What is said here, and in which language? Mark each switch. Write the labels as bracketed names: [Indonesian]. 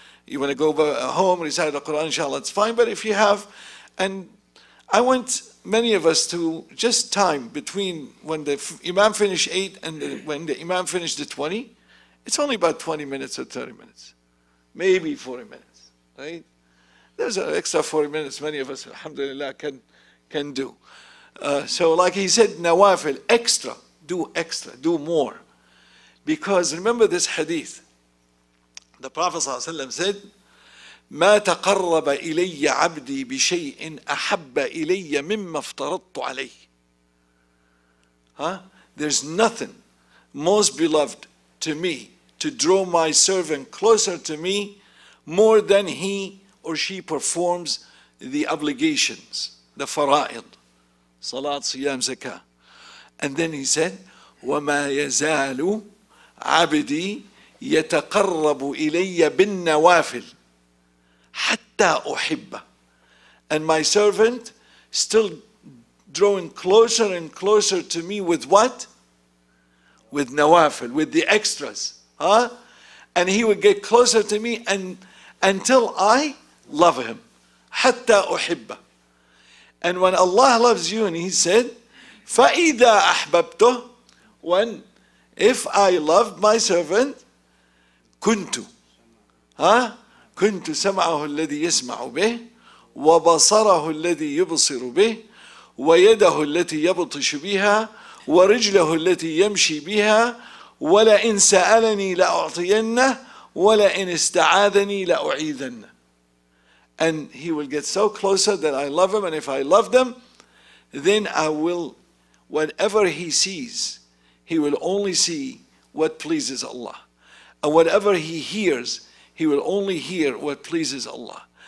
[English] You want to go home, recite the Quran, inshallah, it's fine. But if you have, and I want many of us to just time between when the imam finished 8 and when the imam finished the 20, it's only about 20 minutes or 30 minutes, maybe 40 minutes, right? There's an extra 40 minutes many of us, alhamdulillah, can do. So like he said, nawafil, extra, do more. Because remember this hadith, the Prophet ﷺ said, [Arabic] مَا تَقَرَّبَ إِلَيَّ عَبْدِي بِشَيْءٍ أَحَبَّ إِلَيَّ مِمَّا افْتَرَطْتُ عَلَيْهِ. [English] Huh? There's nothing most beloved to me to draw my servant closer to me more than he or she performs the obligations, the fara'id, salat, siyam, zakah. And then he said, [Arabic] وَمَا يَزَالُ عَبْدِي يَتَقَرَّبُ إِلَيَّ بِالنَّوَافِلِ حَتَّى أُحِبَّهُ. [English] And my servant still drawing closer and closer to me with what? With nawafil, with the extras. Huh? And he would get closer to me and until I love him. [Arabic] حَتَّى أُحِبَّهُ. [English] And when Allah loves you, and he said, [Arabic] فَإِذَا أَحْبَبْتُهُ, [English] when, if I loved my servant, [Arabic] كُنْتُ. [English] Huh? [Arabic] كنت سمعه الذي يسمع به وبصره الذي يبصر به ويده التي يبطش بها ورجله التي يمشي بها ولئن سألني لأعطينه ولئن استعاذني لأعيذنه. [English] And he will get so closer that I love him, and if I love them, then I will, whatever he sees, he will only see what pleases Allah. And whatever he hears, he will only hear what pleases Allah.